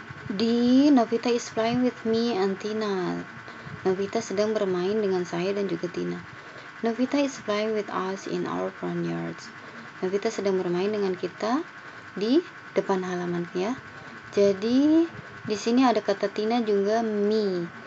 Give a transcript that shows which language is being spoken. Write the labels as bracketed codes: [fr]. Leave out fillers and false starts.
[en] D, Novita is playing with me and Tina. [id] Novita sedang bermain dengan saya dan juga Tina. [en] Novita is playing with us in our front yard. [id] Novita sedang bermain dengan kita di depan halaman ya. Jadi di sini ada kata Tina juga me.